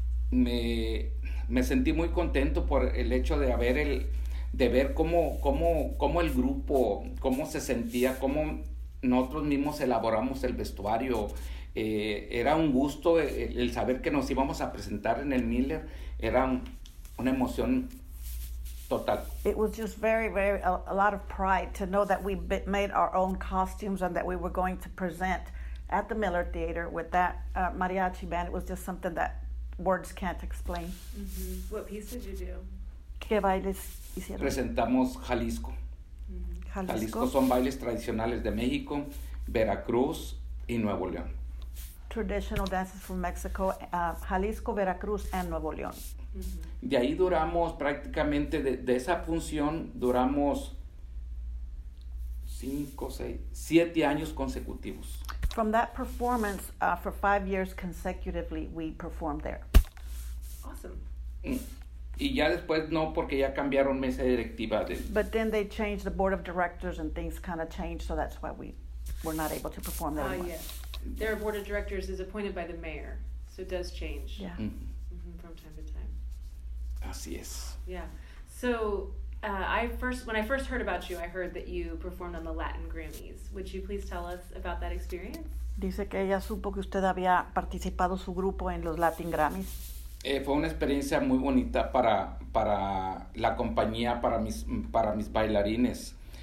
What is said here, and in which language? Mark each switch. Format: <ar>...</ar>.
<es>Me sentí muy contento por el hecho de haber ver cómo el grupo, cómo se sentía, cómo nosotros mismos elaboramos el vestuario. Era un gusto el saber que nos íbamos a presentar en el Miller. Era una emoción total.</es> <en>It was just very, very, a lot of pride to know that we made our own costumes and that we were going to present at the Miller Theater with that mariachi band. It was just something that words can't explain. Mm-hmm. What piece did you do?</en> <es>¿Qué bailes hicieron? Presentamos Jalisco. Mm-hmm. Jalisco. Jalisco son bailes tradicionales de México, Veracruz y Nuevo León.</es> <en>Traditional dances from Mexico, Jalisco, Veracruz and Nuevo León.</en> <es>De ahí duramos prácticamente, de esa función duramos cinco, seis, siete años consecutivos.</es> <en>From that performance, for 5 years consecutively, we performed there. Awesome.</en> <es>Y ya después no, porque ya cambiaron mesa directiva.</es> <en>But then they changed the board of directors and things kind of changed, so that's why we were not able to perform there. Yes. Their board of directors is appointed by the mayor, so it does change. Yeah. Mm-hmm, from time to time.</en> <es>Así es.</es> <en>Yeah. So, when I first heard about you, I heard that you performed on the Latin Grammys. Would you please tell us about that experience?</en> <es>Dice que ella supo que usted había participado su grupo en los Latin Grammys. Fue una experiencia muy bonita para la compañía, para mis bailarines.</es>